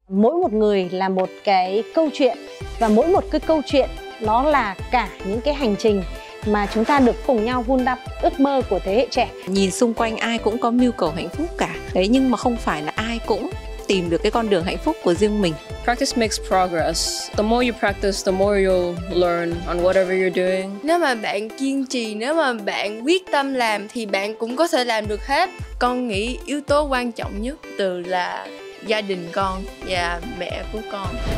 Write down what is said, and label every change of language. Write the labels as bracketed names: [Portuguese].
[Vietnamese] Mỗi một người là một cái câu chuyện, và mỗi một cái câu chuyện nó là cả những cái hành trình mà chúng ta được cùng nhau vun đắp ước mơ của thế hệ trẻ. Nhìn xung quanh ai cũng có mưu cầu hạnh phúc cả. Đấy, nhưng mà không phải là ai cũng tìm được cái con đường hạnh phúc của riêng mình. [English] Practice makes progress. The more you practice, the more you'll learn on whatever you're doing. [Vietnamese] Nếu mà bạn kiên trì, nếu mà bạn quyết tâm làm thì bạn cũng có thể làm được hết. Con nghĩ yếu tố quan trọng nhất từ là gia đình con và mẹ của con.